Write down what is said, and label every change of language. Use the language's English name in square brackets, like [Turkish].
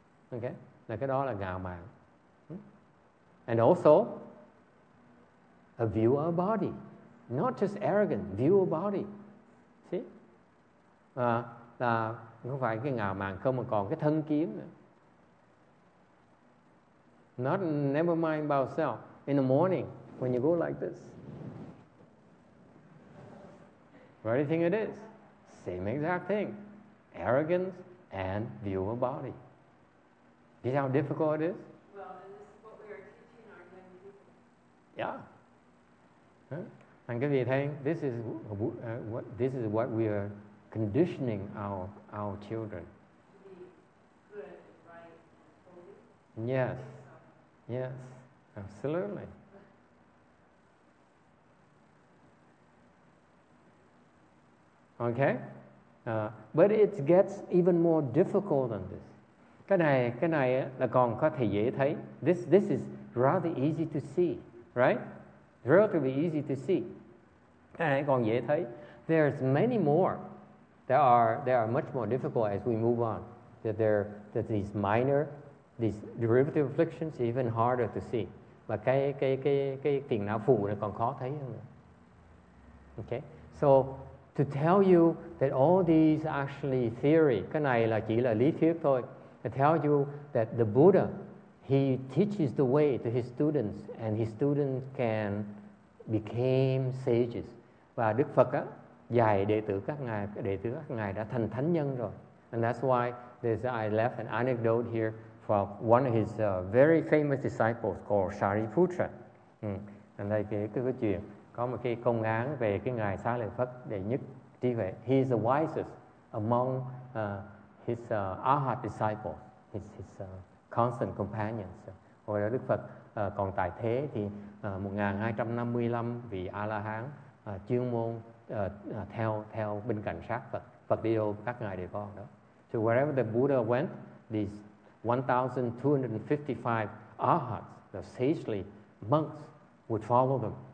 [Vietnamese] Okay? Là cái đó là ngạo mạn. [English] And also a view of body. Not just arrogant, view of body. See? [Vietnamese] Là không phải cái ngạo mạn không mà còn cái thân kiến nữa. [English] Not never mind about self. In the morning, when you go like this, what do you think it is? Same exact thing. Arrogance and view of body. See how difficult it is? Well, and this is what we are teaching our young people. Yeah. Huh? And give you a thing, this is what we are conditioning our children. To be good and right and holy. Yes. Yes. Absolutely. Okay? But it gets even more difficult than this. [Vietnamese] Cái này là còn có thể dễ thấy. [English] This is rather easy to see, right? Relatively easy to see. [Vietnamese] Cái này còn dễ thấy. [English] There's many more. There are much more difficult as we move on. That these minor, these derivative afflictions are even harder to see. [Vietnamese] Và cái tiền não phụ này còn khó thấy hơn. Okay? [English] So to tell you that all these actually theory, [Vietnamese] cái này là chỉ là lý thuyết thôi. [English] To tell you that the Buddha, he teaches the way to his students, and his students can become sages. [Vietnamese] Và Đức Phật á dạy đệ tử các ngài đã thành thánh nhân rồi. [English] And that's why I left an anecdote here for one of his very famous disciples called Shariputra. [Vietnamese] And đây cái chuyện. Có một cái công án về cái ngài Xá Lợi Phất đệ nhất trí huệ. [English] He is the wisest among his arhat disciples, his constant companions. [Vietnamese] Hồi đó Đức Phật còn tại thế thì 1255 vị A-la-hán chuyên môn theo bên cạnh sát Phật. Phật đi đâu các ngài đều có đó. [English] So wherever the Buddha went, these 1255 arhats, the sagely monks, would follow them.